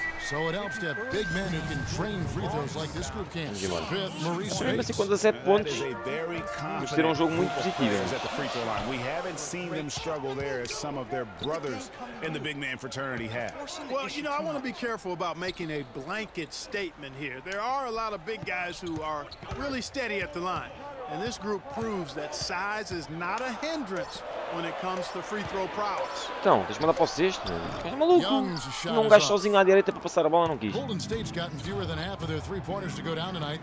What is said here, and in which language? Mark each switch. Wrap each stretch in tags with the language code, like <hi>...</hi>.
<en>So it helps to have big men who can frame free throws like this group can.</en> <pt>Mesmo assim, com 17 pontos, eles tiram um jogo muito positivo.</pt> <en>We haven't seen them struggle there as some of their brothers in the big man fraternity have. Well, you know, I want to be careful about making a blanket statement here. There are a lot of big guys who are really steady at the line. And this group proves that size is not a hindrance when it comes to free throw prowess.</en> <pt>Então, deixa-me mandar para o sexto, né? É maluco. Tinha um gajo sozinho à direita para passar a bola, não quis.</pt> <en>Golden State's gotten fewer than half of their three-pointers to go down tonight.</en>